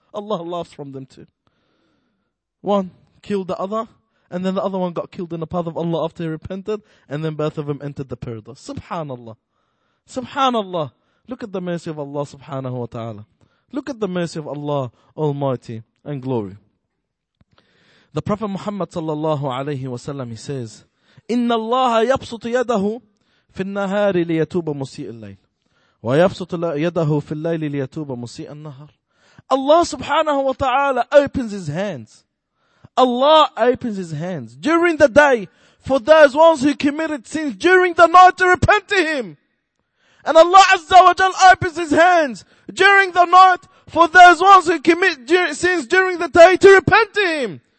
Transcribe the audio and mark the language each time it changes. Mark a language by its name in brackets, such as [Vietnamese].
[English] Allah laughs from them too. One killed the other, and then the other one got killed in the path of Allah after he repented, and then both of them entered the paradise. Subhanallah. Subhanallah. Look at the mercy of Allah subhanahu wa ta'ala. Look at the mercy of Allah Almighty and glory. The Prophet Muhammad sallallahu alayhi wa sallam, he says, [Arabic] إِنَّ اللَّهَ يَبْسُطُ يَدَهُ فِي النَّهَارِ لِيَتُوبَ مُسِيءَ اللَّيْلِ وَيَبْسُطُ يَدَهُ فِي اللَّيْلِ لِيَتُوبَ مُسِيءَ النَّهَارِ. [English] Allah subhanahu wa ta'ala opens His hands. Allah opens His hands during the day for those ones who committed sins during the night to repent to Him. And Allah Azza wa Jal opens His hands during the night for those ones who commit sins during the day to repent to Him.